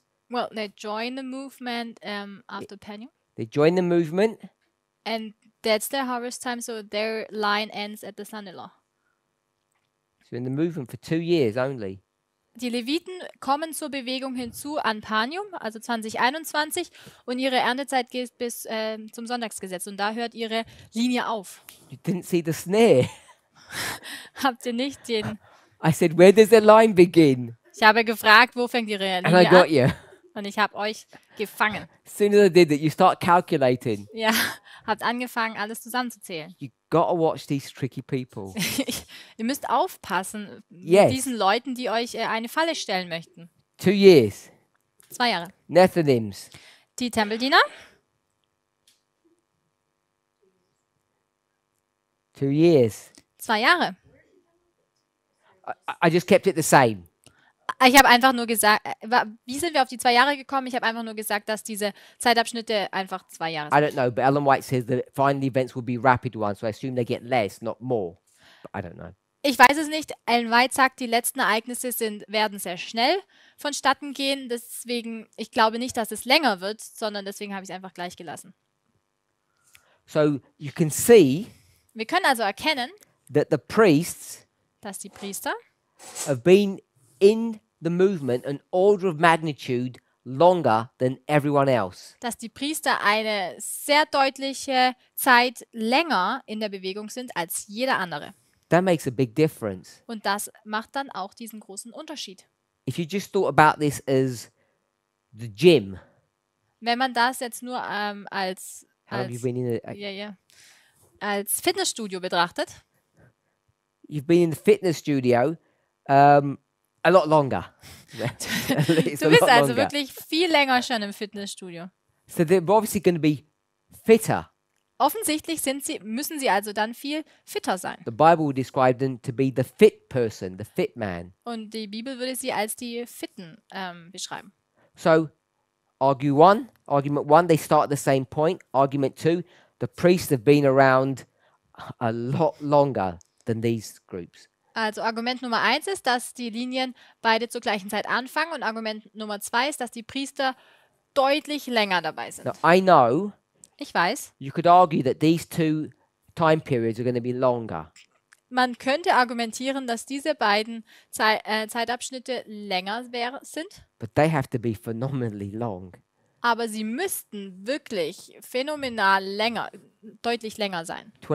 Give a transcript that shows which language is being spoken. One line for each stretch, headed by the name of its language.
English: Well, they joined the movement after Penny. They joined the movement. And that's their harvest time, so their line ends at the son-in-law. So in the movement for 2 years only.
German: Die Leviten kommen zur Bewegung hinzu an Panium, also 2021, und ihre Erntezeit geht bis zum Sonntagsgesetz. Und da hört ihre Linie auf.
English: You didn't see the snare.
German: Habt ihr nicht den...
English: I said, where does the line begin?
German: Ich habe gefragt, wo fängt ihre Linie an?
English: And I got you.
German: Und ich habe euch gefangen.
English: As soon as I did it, you start calculating.
German: Ja, habt angefangen, alles zusammenzuzählen.
English: You gotta watch these tricky people.
German: Ihr müsst aufpassen mit diesen Leuten, die euch eine Falle stellen möchten.
English: 2 years.
German: 2 Jahre.
English: Nethinims.
German: Die Tempeldiener.
English: 2 years.
German: 2 Jahre.
English: I just kept it the same.
German: Ich habe einfach nur gesagt, wie sind wir auf die 2 Jahre gekommen? Ich habe einfach nur gesagt, dass diese Zeitabschnitte einfach 2 Jahre sind.
English: I don't know, but Ellen White says that final events will be rapid ones, so I assume they get less, not more. But I don't know.
German: Ich weiß es nicht. Ellen White sagt, die letzten Ereignisse werden sehr schnell vonstatten gehen. Deswegen, ich glaube nicht, dass es länger wird, sondern deswegen habe ich es einfach gleich gelassen.
English: So you can see,
German: wir können also erkennen,
English: that the priests,
German: dass die Priester
English: have been in the movement an order of magnitude longer than everyone else.
German: Dass die Priester eine sehr deutliche Zeit länger in der Bewegung sind als jeder andere.
English: That makes a big difference.
German: Und das macht dann auch diesen großen Unterschied.
English: If you just thought about this as the gym.
German: Wenn man das jetzt nur als als Fitnessstudio betrachtet.
English: You've been in the fitness studio a lot longer.
German: Du bist also wirklich viel länger schon im Fitnessstudio.
English: So they're obviously going to be fitter.
German: Offensichtlich müssen sie also dann viel fitter sein.
English: The Bible would describe them to be the fit person, the fit man.
German: Und die Bibel würde sie als die Fitten beschreiben.
English: So, argument one, they start at the same point. Argument two, the priests have been around a lot longer than these groups.
German: Also Argument Nummer 1 ist, dass die Linien beide zur gleichen Zeit anfangen und Argument Nummer 2 ist, dass die Priester deutlich länger dabei sind.
English: Now, I know.
German: Ich weiß.
English: You could argue that these two time periods are going to be longer.
German: Man könnte argumentieren, dass diese beiden Zeitabschnitte länger sind.
English: But they have to be phenomenally long.
German: Aber sie müssten wirklich phänomenal länger, deutlich länger sein.